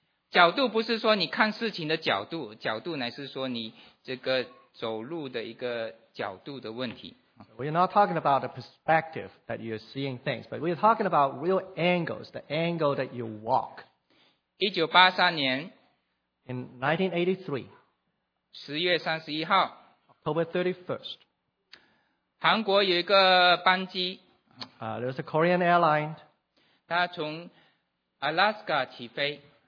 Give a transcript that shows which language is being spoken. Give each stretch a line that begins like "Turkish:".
Chinese: 角度不是说你看事情的角度，角度乃是说你这个走路的一个角度的问题。
English: We're not talking about the perspective that you're seeing things, but we're talking about real angles, the angle that you walk.
Chinese: 1983年
English: In 1983
Chinese: 10月31号
English: October 31st
Chinese: 韩国有一个班机
English: There was a Korean airline.
Chinese: 它从 Alaska 起飞